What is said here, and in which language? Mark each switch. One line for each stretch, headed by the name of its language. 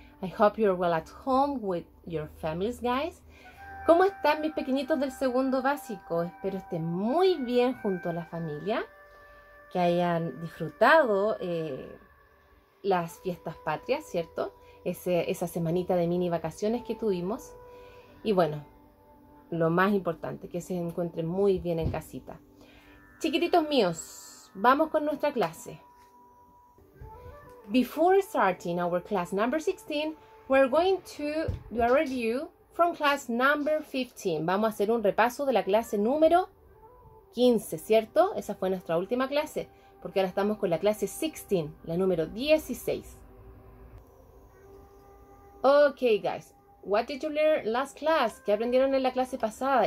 English: I hope you're well at home with your families, guys.
Spanish: ¿Cómo están mis pequeñitos del segundo básico? Espero estén muy bien junto a la familia, que hayan disfrutado las fiestas patrias, ¿cierto? Esa semanita de mini vacaciones que tuvimos. Y bueno, lo más importante, que se encuentren muy bien en casita. Chiquititos míos, vamos con nuestra clase.
English: Before starting our class number 16, we're going to do a review from class number 15.
Spanish: Vamos a hacer un repaso de la clase número 15, ¿cierto? Esa fue nuestra última clase, porque ahora estamos con la clase 16, la número 16.
English: Okay, guys. What did you learn last class?
Spanish: ¿Qué aprendieron en la clase pasada?